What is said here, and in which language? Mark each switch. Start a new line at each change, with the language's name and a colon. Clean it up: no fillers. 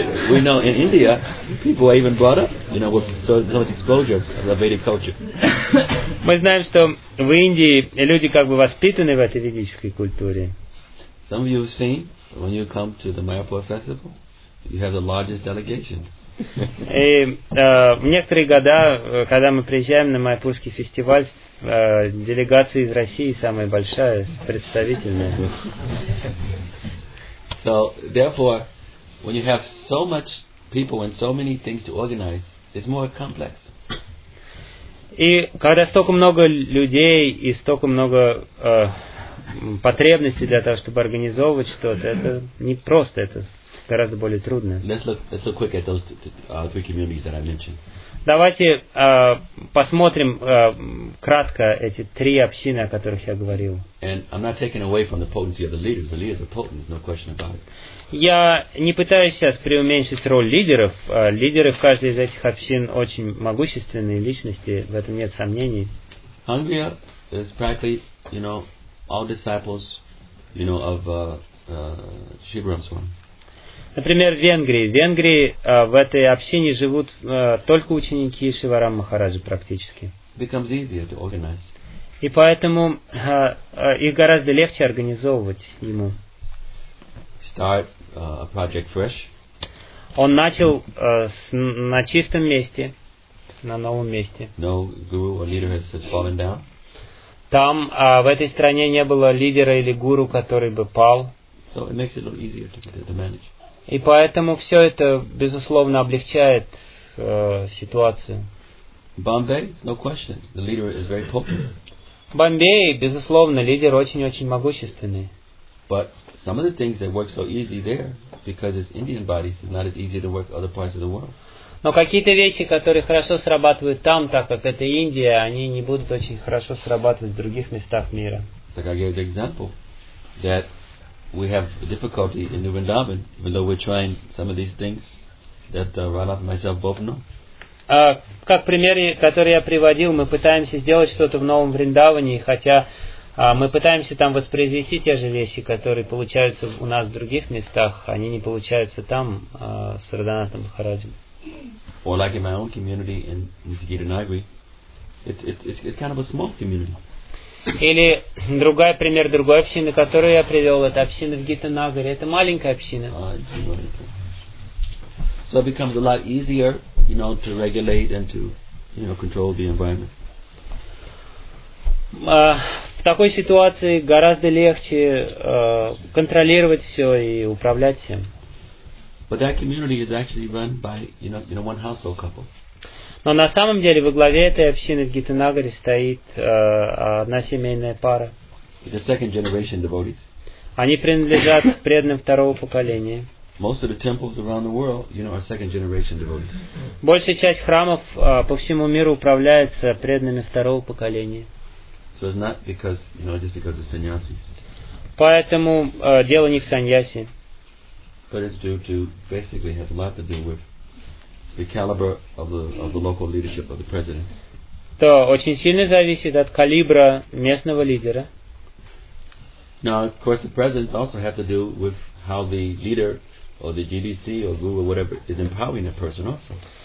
English: we know in India, people are even brought up, you know, with so much exposure of the Vedic culture.
Russian: Мы знаем, что в Индии люди как бы воспитаны в этой ведической культуре.
English: Some of you have seen when you come to the Mayapur festival, you have the largest delegation.
Russian: И в некоторые года, когда мы приезжаем на Майпурский фестиваль, делегация из России самая большая, представительная.
English: So, therefore, when you have so much people and so many things to organize, it's more complex.
Russian: И когда столько много людей и столько много потребностей для того, чтобы организовывать что-то, это не просто, это гораздо более трудно.
English: Let's look quick at those three communities that I mentioned.
Russian: Давайте посмотрим кратко эти три общины, о которых я говорил.
English: And I'm not taking away from the potency of the leaders. The leaders are potent, no question about it.
Russian: Я не пытаюсь сейчас преуменьшить роль лидеров. Лидеры в каждой из этих общин очень могущественные личности, в этом нет сомнений.
English: Hungria is practically, you know, all disciples, you know, of Shivaramaswamy.
Russian: Например, в Венгрии. В Венгрии в этой общине живут только ученики Шиварам Махараджи практически.
English: Becomes easier to organize.
Russian: И поэтому их гораздо легче организовывать ему.
English: Start a project fresh.
Russian: Он начал на чистом месте, на новом месте.
English: No guru or leader has fallen down.
Russian: Там, в этой стране не было лидера или гуру, который бы пал.
English: So it makes it a little easier to manage.
Russian: И поэтому все это, безусловно, облегчает ситуацию.
English: Bombay, no question. The leader is very popular.
Russian: Бомбей, безусловно, лидер очень-очень могущественный.
English: But some of the things that work so easy there, because it's Indian bodies, is not as easy to work other parts of the world.
Russian: Но какие-то вещи, которые хорошо срабатывают там, так как это Индия, они не будут очень хорошо срабатывать в других местах мира.
English: Like I gave the example that we have difficulty in New Vrindavan, even though we're trying some of these things that Ranath and myself both know.
Russian: Как пример, который я приводил, мы пытаемся сделать что-то в Новом Вриндаване, хотя мы пытаемся там воспроизвести те же вещи, которые получаются у нас в других местах, они не получаются там с Радханатом Махараджем.
English: Or like in my own community in Nizhigiri-Nagri, it's kind of a small community.
Russian: Или другой пример другой общины, которую я привел, это община в Гита-Нагаре, это маленькая община.
English: So it becomes a lot easier, you know, to regulate and to, you know, control the environment.
Russian: В такой ситуации гораздо легче контролировать все и управлять всем.
English: But that community is actually run by, you know, one household couple.
Russian: Но на самом деле во главе этой общины в Гита-Нагаре стоит одна семейная пара.
English: The second generation devotees.
Russian: Они принадлежат к преданным второго поколения.
English: Most of the temples around the world, you know, are second generation devotees.
Russian: Большая часть храмов по всему миру управляется преданными второго поколения.
English: So it's not because, you know, just because of sannyasis.
Russian: Поэтому дело не в саньясе.
English: But it's due to basically has a lot to do with the caliber of the local leadership of the presidents.
Russian: То очень сильно зависит от калибра местного лидера.
English: Now, of course, the presidents also have to do with how the leader or the GDC or Google, whatever, is empowering a person also.